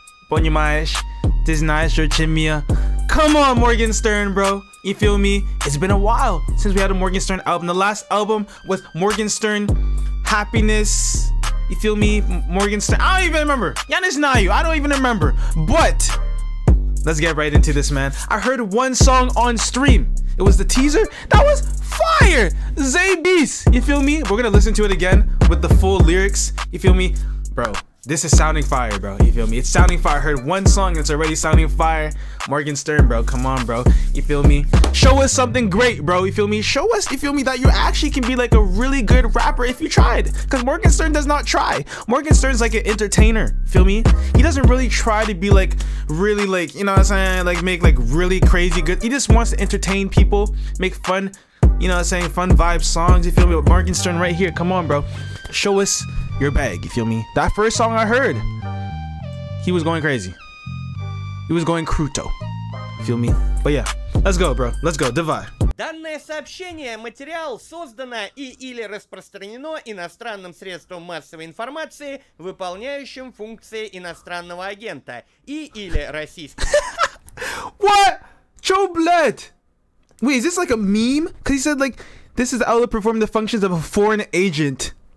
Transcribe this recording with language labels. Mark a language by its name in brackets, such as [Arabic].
[Russian] Понимаешь, ты знаешь, очень мне. [English] Come on, Morgenshtern, bro. You feel me? It's been a while since we had a Morgenshtern album. The last album was Morgenshtern Happiness. You feel me? Morgenshtern. I don't even remember. Yannis Nayu. I don't even remember. But let's get right into this, man. I heard one song on stream. It was the teaser. That was fire. Zay Beast. You feel me? We're going to listen to it again with the full lyrics. You feel me? Bro, this is sounding fire, bro. You feel me? It's sounding fire. I heard one song. It's already sounding fire. Morgenshtern, bro. Come on, bro. You feel me? Show us something great, bro. You feel me? Show us, you feel me, that you actually can be like a really good rapper if you tried. Because Morgenshtern does not try. Morgenshtern's like an entertainer. Feel me? He doesn't really try to be like really like, you know what I'm saying? Like make like really crazy good. He just wants to entertain people, make fun, you know what I'm saying? Fun vibe songs. You feel me? With Morgenshtern right here. Come on, bro. Show us your bag, you feel me? That first song I heard, he was going crazy. He was going [Russian] круто. [English] Feel me? But yeah, let's go, bro. Let's go. [Russian] Давай. Данное сообщение, материал, создано и или распространено иностранным средством массовой информации, выполняющим функции иностранного агента, и или российского. [English] What? [Russian] Чё, блядь? [English] Wait, is this like a meme? Because he said, like, this is how to perform the functions of a foreign agent.